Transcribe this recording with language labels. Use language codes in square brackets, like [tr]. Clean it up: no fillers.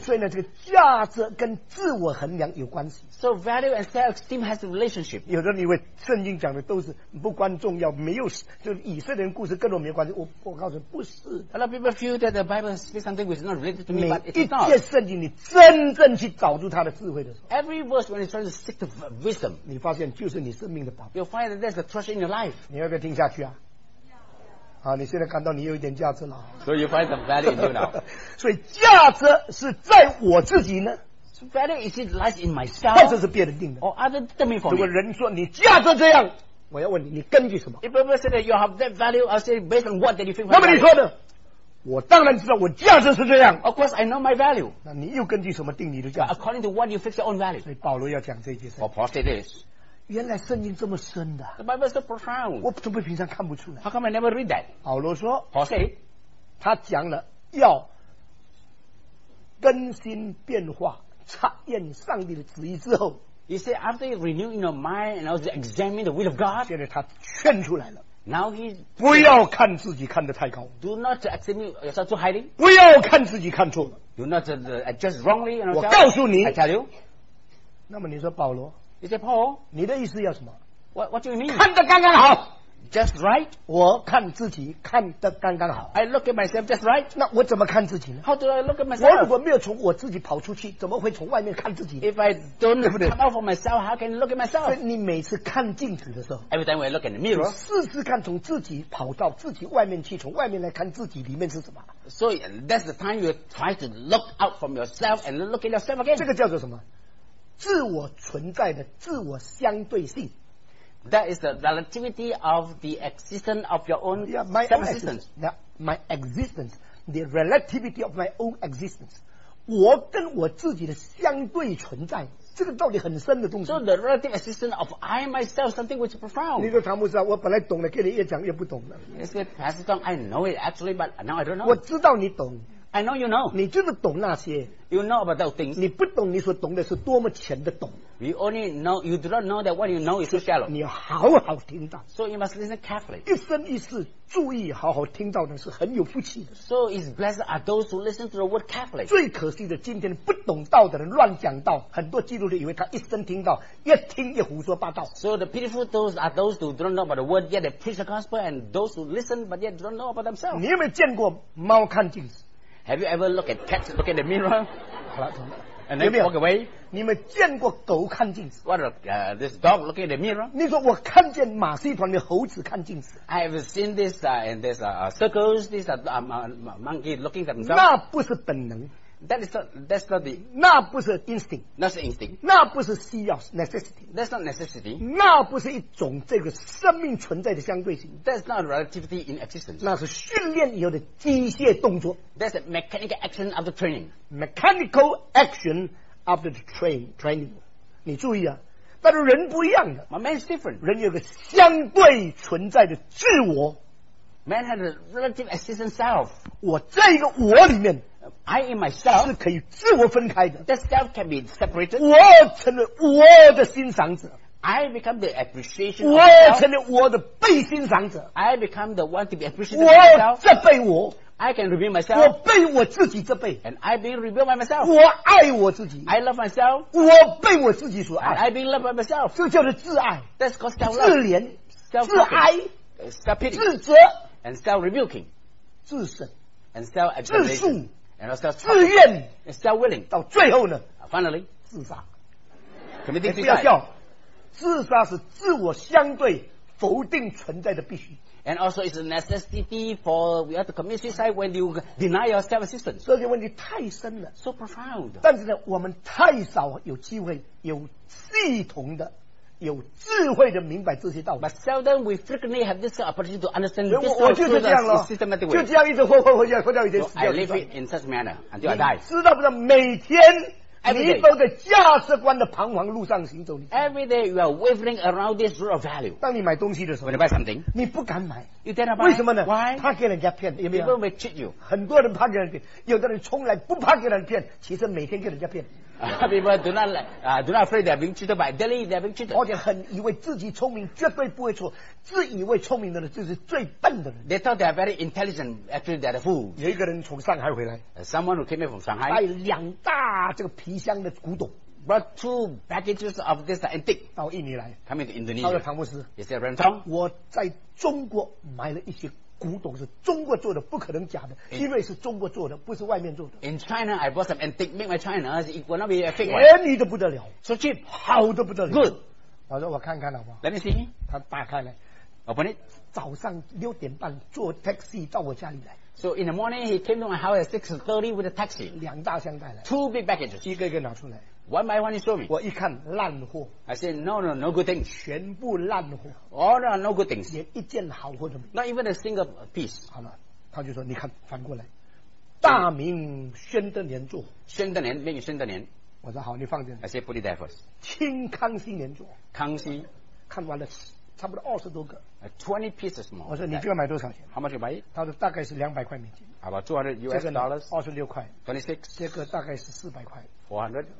[zh] 所以呢，这个价值跟自我衡量有关系。 [en] So value and self-esteem has a relationship. [zh] 有的人以为圣经讲的都是不关重要，没有就以色列人故事跟我没关系。我告诉你，不是。 [en] A lot of people feel that the Bible speaks something which is not related to me, but it's not. [zh] 每一节圣经，你真正去找出它的智慧的时候 [en] ，Every verse when you try to seek the wisdom, [zh] 你发现就是你生命的宝贝。 [en] You'll find that there's a treasure in your life. [zh] 你要不要听下去啊？啊，你现在感到你有一点价值了。 [en] So you find some value in you now. [zh] 所以价值是在我自己呢 [en] ？So value is it lies in myself? [zh] 或者是别人定的 [en] ？Or other determine for me? [zh] 如果人说你价值这样，我要问你，你根据什么 [en] ？If people say that you have that value, I say based on what that you think. [zh] 那么你说的？我当然知道我价值是这样。 [en] Of course, I know my value. [zh] 那你又根据什么定你的价值 [en] ？According to what you fix your own value. [zh] 所以保罗要讲这句。 [en] For Paul said this. [zh] 原来圣经这么深的。 [en] The Bible is so profound. [zh] 我怎么平常看不出来 [en] ？How come I never read that? [zh] 保罗说 [en] ，Paul said, [zh] 他讲了要更新变化，查验上帝的旨意之后。 [en] He said after you renew in your mind and also examine the will of God. [zh] 现在他劝出来了。 [en] Now he's [zh] 不要看自己看得太高。 [en] Do not examine yourself too highly. [zh] 不要看自己看错了。 [en] Do not adjust wrongly. [zh] 我告诉你 [en] ，I tell you. [zh] 那么你说保罗 [en] ？You say Paul. [zh] 你的意思要什么 [en] ？What do you mean? [zh] 看得刚刚好 [en] ，just right. [zh] 我看自己看得刚刚好。 [en] I look at myself just right. [zh] 那我怎么看自己呢 [en] ？How do I look at myself? [zh] 我如果没有从我自己跑出去，怎么会从外面看自己 [en] ？If I don't come out for myself, how can I look at myself? [zh] 你每次看镜子的时候 [en] ，Every time I look in the mirror, [zh] 试试看从自己跑到自己外面去，从外面来看自己里面是什么 [en] ？So that's the time you try to look out from yourself and look at yourself again. [zh] 这个叫做什么？自我存在的自我相对性。 [en] That is the relativity of the existence of your own self-existence. My existence, the relativity of my own existence. [zh] 我跟我自己的相对存在，这个道理很深的东西。 [en] So the relative existence of I myself, something which is profound. [zh] 你说唐牧师啊，我本来懂了，给你越讲越不懂了。 [en] You say, Pastor Tom, I know it actually, but now I don't know. [zh] 我知道你懂。 [en] I know you know. [zh] 你就是懂那些。 [en] You know about those things. [zh] 你不懂你所懂的是多么浅的懂。 [en] You only know, you do not know that what you know is so shallow. [zh] 你要好好听到。 [en] So you must listen carefully. [zh] 一生一世注意好好听到的是很有福气的。 [en] So it's blessed are those who listen to the word carefully. [zh] 最可惜的今天不懂道的人乱讲道，很多基督徒以为他一生听到，越听越胡说八道。 [en] So the pitiful those are those who don't know about the word, yet they preach the gospel, and those who listen but yet don't know about themselves. [zh] 你有没有见过猫看镜子？ [en] Have you ever looked at cats look at the mirror? [zh] 好了，同志们。 [en] And then walk away. [zh] 你们见过狗看镜子 [en] ？What this dog looking at the mirror? [zh] 你说我看见马戏团的猴子看镜子。 [en] I have seen this and this circles. These are monkey looking at themselves. [zh] 那不是本能。 [en] That's not the. [zh] 那不是 [en] instinct. That's instinct. [zh] 那不是需要 [en] necessity. That's not necessity. [zh] 那不是一种这个生命存在的相对性。 [en] That's not relativity in existence. [zh] 那是训练以后的机械动作。 [en] That's a mechanical action after training. Mechanical action after the training. [zh] 你注意啊，但是人不一样的。 [en] My man's different. [zh] 人有个相对存在的自我。 [en] Man has a relative existence self. [zh] 我这个我里面。 [en] I in myself [zh] 是可以自我分开的。 [en] The self can be separated. [zh] 我成了我的欣赏者。 [en] I become the appreciation. [zh] 我成了我的被欣赏者。 [en] I become the one to be appreciated. [zh] 我这被我。 [en] I can reveal myself. [zh] 我被我自己这被。 [en] And I being revealed by myself. [zh] 我爱我自己。 [en] I love myself. [zh] 我被我自己所爱。 [en] And I being loved by myself. [zh] 这叫做自爱。 [en] That's called self-love. [zh] 自怜。 [en] Self-love. [zh] 自哀。 [en] Self-pity. [zh] 自责。 [en] And self-rebuking. [zh] 自省。 [en] And self-examination. [zh] 自述。 [en] And also [zh] 自愿 [en] and still willing [zh] 到最后呢 [en] finally [zh] 自杀 [en] committing suicide [zh] 不要笑自杀是自我相对否定存在的必须 [en] and also it's a necessity for we have to commit suicide when you deny your self-existence [zh] 这个问题太深了 [en] so profound [zh] 但是呢我们太少有机会有系统的有智慧的明白这些道理 [en] but seldom we frequently have this opportunity to understand this [zh] 我就是这样了就这样一直活到一天死掉 [en] I live it in such manner until I die [zh] 知道不知道每天你走在价值观的彷徨路上行走, [en] every day you are wavering around this rule of value. [zh] 当你买东西的时候, [en] when you buy something, [zh] 你不敢买, [en] you dare not buy. [zh] 为什么呢? [en] Why? [zh] 怕给人家骗, [en] people may cheat you. [zh] 很多人怕给人家骗, 有的人从来不怕给人家骗, 其实每天给人家骗。 [en] People do not like, do not afraid they are being cheated, by daily they are being cheated. [zh] 而且很以为自己聪明, 绝对不会错, 自以为聪明的人, 就是最笨的人。 [en] They thought they are very intelligent, actually they are fools. [zh] 有一个人从上海回来, [en] someone who came here from Shanghai, [zh] 带两大这个皮箱的古董, [en] brought two packages of this antique, [zh] 到印尼来, [en] coming to Indonesia. [zh] 到了唐牧师, [en] he said, Renthong, [zh] 我在中国买了一些 古董是中国做的，不可能假的， 因为是中国做的，不是外面做的。 [en] In China, I bought some antique made by China. It will not be a fake one. [zh] 便宜的不得了， [en] so cheap, [zh] 好的不得了， [en] good. [zh] 我说我看看好不好？ [en] Let me see. [zh] 他打开来， [en] open it. [zh] 早上6点半 坐 taxi 到我家里来。 [en] So in the morning he came to my house at 6:30 with a taxi. [zh] 两大箱带来， [en] two big packages, [zh] 一个一个拿出来， [en] one by one he showed me. [zh] 我一看烂货， [en] I said no no no good things, [zh] 全部烂货， [en] all are no good things, [zh] 连一件好货都没， [en] not even a single piece. [zh] 好了，他就说你看反过来， 大明宣德年作，宣德年， 宣德年，我说好你放这， [en] I said put it there first. [zh] 清康熙年作，康熙，看完了差不多20多个， [en] 20 pieces more. [zh] 我说你这个买多少钱？ [en] How much you buy it? [zh] 他说大概是200块美金。 [en] About 200 US dollars? [zh] 26块。 [en] 26? [zh] 这个大概是400块。 [en] 400?